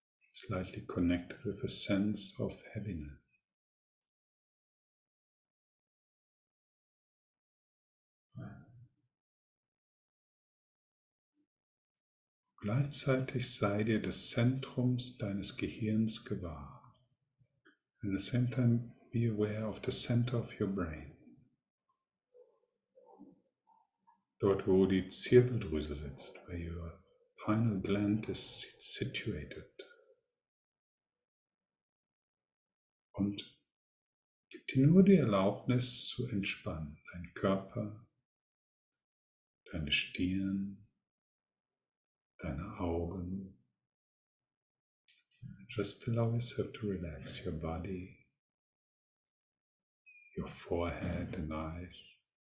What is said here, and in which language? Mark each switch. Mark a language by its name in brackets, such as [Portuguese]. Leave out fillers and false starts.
[English] Slightly connected with a sense of heaviness. [German] Gleichzeitig sei dir des Zentrums deines Gehirns gewahr. [English] At the same time, be aware of the center of your brain. [German] Dort, wo die Zirbeldrüse sitzt, [English] where your pineal gland is situated. [German] Und gib dir nur die Erlaubnis zu entspannen, dein Körper, deine Stirn, deine Augen. [English] Just allow yourself to relax your body, your forehead and eyes.